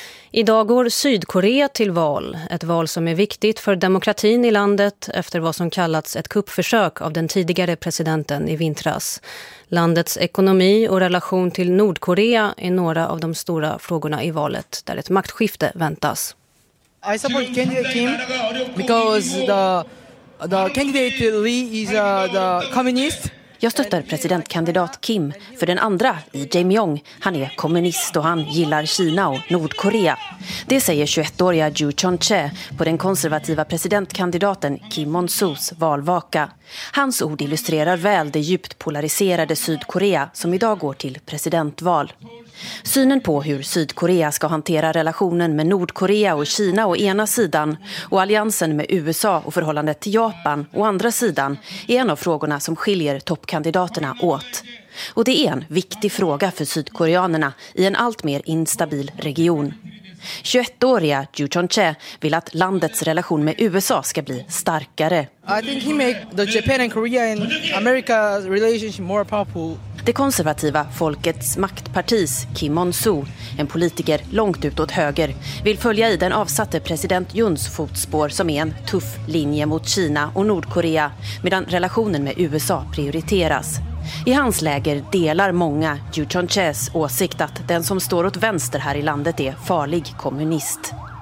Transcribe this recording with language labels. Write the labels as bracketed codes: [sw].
[sv] Idag går Sydkorea till val. Ett val som är viktigt för demokratin i landet efter vad som kallats ett kuppförsök av den tidigare presidenten i vintras. Landets ekonomi och relation till Nordkorea är några av de stora frågorna i valet där ett maktskifte väntas. [en] I support Kim because the candidate Lee is the communist. [sv] Jag stöttar presidentkandidat Kim för den andra, Lee Jae-myung. Han är kommunist och han gillar Kina och Nordkorea. Det säger 21-åriga Ju Chon-che på den konservativa presidentkandidaten Kim Mon-soos valvaka. Hans ord illustrerar väl det djupt polariserade Sydkorea som idag går till presidentval. Synen på hur Sydkorea ska hantera relationen med Nordkorea och Kina å ena sidan och alliansen med USA och förhållandet till Japan å andra sidan är en av frågorna som skiljer toppkandidaterna åt. Och det är en viktig fråga för sydkoreanerna i en allt mer instabil region. 21-åriga Ju Chon-che vill att landets relation med USA ska bli starkare. [en] I think he make the Japan and Korea and America's relationship more powerful. [sv] Det konservativa Folkets maktpartis Kim Mon-soo, en politiker långt ut åt höger, vill följa i den avsatte president Juns fotspår som är en tuff linje mot Kina och Nordkorea, medan relationen med USA prioriteras. I hans läger delar många Ju Chon-ches åsikt att den som står åt vänster här i landet är farlig kommunist.